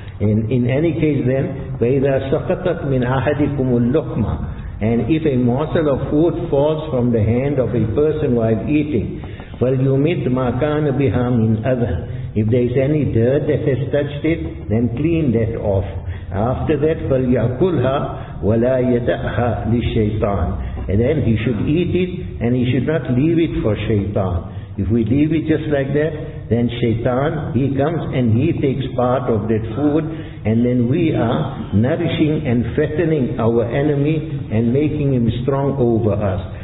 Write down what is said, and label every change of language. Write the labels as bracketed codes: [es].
[en] And in any case then, [ar] فَإِذَا سَقَطَتْ مِنْ أَحَدِكُمُ اللُّقْمَةِ. [en] And if a morsel of food falls from the hand of a person while eating, [ar] فَلْيُمِتْ مَا كَانَ بِهَا مِنْ أَذَىٰ. [en] If there is any dirt that has touched it, then clean that off. After that, [ar] فَلْيَأْكُلْهَا وَلَا يَدَأْهَا لِلشَّيْطَانِ. [en] And then he should eat it, and he should not leave it for Shaitan. If we leave it just like that, then Shaitan, he comes and he takes part of that food, and then we are nourishing and fattening our enemy and making him strong over us.